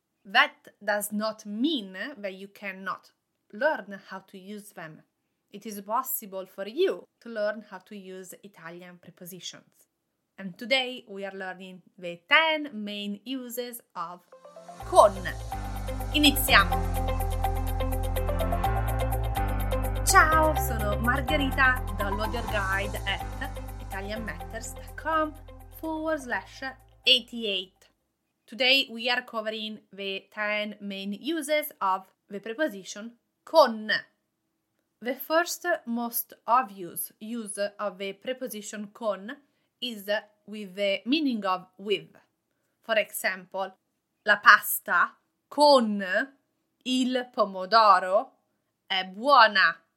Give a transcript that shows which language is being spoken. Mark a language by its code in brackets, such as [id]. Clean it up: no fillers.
[en] That does not mean that you cannot learn how to use them. It is possible for you to learn how to use Italian prepositions. And today we are learning the 10 main uses of con. [it] Iniziamo! Ciao, sono Margherita dall'Audio Guide at italianmatters.com/88. [en] Today we are covering the 10 main uses of the preposition con. The first most obvious use of the preposition con is with the meaning of with. For example, [it] la pasta con il pomodoro è buona.